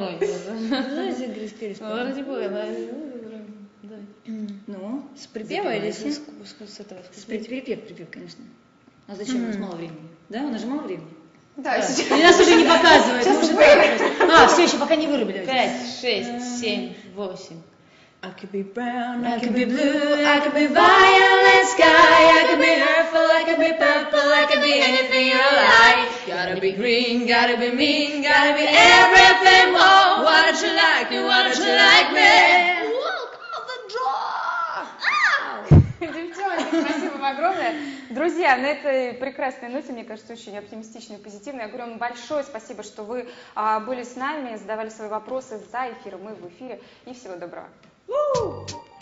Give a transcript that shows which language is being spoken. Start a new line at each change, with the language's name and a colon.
Russian: Знаете, Грис Перес? Вроде бы, да. Ну, с припева или с этого? Припев, конечно. А зачем? У нас мало времени. Да, у нас же мало времени. Да, сейчас. И нас уже не показывают. Сейчас вырубили. А, все еще, пока не вырубили. 5, 6, 7, 8.
English: I could be brown, I could be blue, I could be violet sky, I could be hurtful, I could be purple, I could be anything you like. Gotta be green, gotta be mean, gotta be everything more. Why don't you like me, why don't you like me?
Russian: Спасибо вам огромное. Друзья, на этой прекрасной ноте, мне кажется, очень оптимистичной и позитивной. Я говорю вам большое спасибо, что вы были с нами, задавали свои вопросы за эфиром. Мы в эфире. И всего доброго. Woo!